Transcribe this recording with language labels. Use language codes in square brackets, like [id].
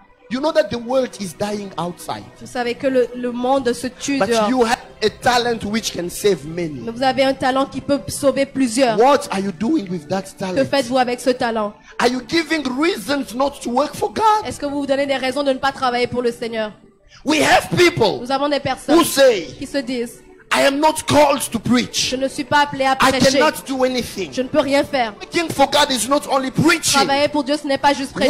[en] You know that the world is dying outside. [fr] Vous savez que le monde se tue [en] but [fr] dehors. [en] But you have a talent which can save many. [fr] Mais vous avez un talent qui peut sauver plusieurs. [en] What are you doing with that talent? [fr] Que faites-vous avec ce talent? [en] Are you giving reasons not to work for God? [fr] Est-ce que vous vous donnez des raisons de ne pas travailler pour le Seigneur? [en] We have people. [fr] Nous avons des personnes [en] who say, [fr] qui se disent. [en] I am not called to preach. [fr] Je ne suis pas appelé à prêcher. [en] I cannot do anything. [fr] Je ne peux rien faire. [en] Working for God is not only preaching. [fr] Travailler pour Dieu, ce n'est pas juste prêcher.